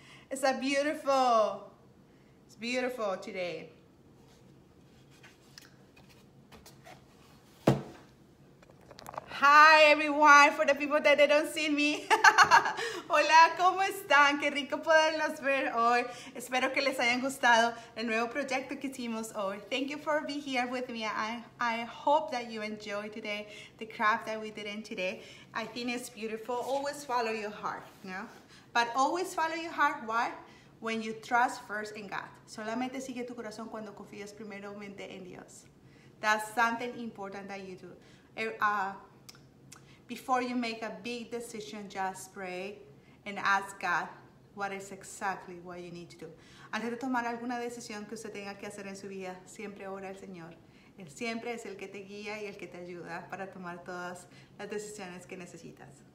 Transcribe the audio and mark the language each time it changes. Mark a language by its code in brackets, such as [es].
[en] It's a beautiful, it's beautiful today. Hi everyone, for the people that they don't see me. [es] Hola, ¿cómo están? Qué rico poderlos ver hoy. Espero que les hayan gustado el nuevo proyecto que hicimos hoy. [en] Thank you for being here with me. I hope that you enjoyed today, the craft that we did in today. I think it's beautiful. Always follow your heart, you know? But always follow your heart, why? When you trust first in God. [es] Solamente sigue tu corazón cuando confías primeramente en Dios. [en] That's something important that you do. Before you make a big decision, just pray and ask God what is exactly what you need to do. [es] Antes de tomar alguna decisión que usted tenga que hacer en su vida, siempre ora al Señor. Él siempre es el que te guía y el que te ayuda para tomar todas las decisiones que necesitas.